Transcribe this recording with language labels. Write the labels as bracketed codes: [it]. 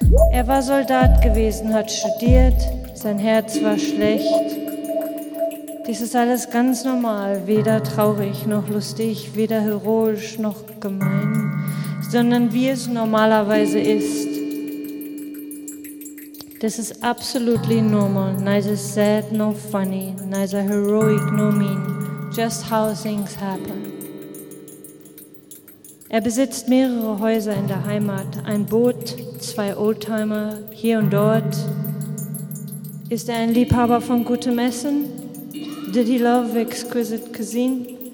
[de] Er war Soldat gewesen, hat studiert, sein Herz war schlecht. Dies ist alles ganz normal, weder traurig noch lustig, weder heroisch noch gemein, sondern wie es normalerweise ist. [en] This is absolutely normal, neither sad nor funny, neither heroic nor mean, just how things happen. [de] Er besitzt mehrere Häuser in der Heimat, ein Boot, zwei Oldtimer, hier und dort. Ist er ein Liebhaber von gutem Essen? [en] Did he love exquisite cuisine?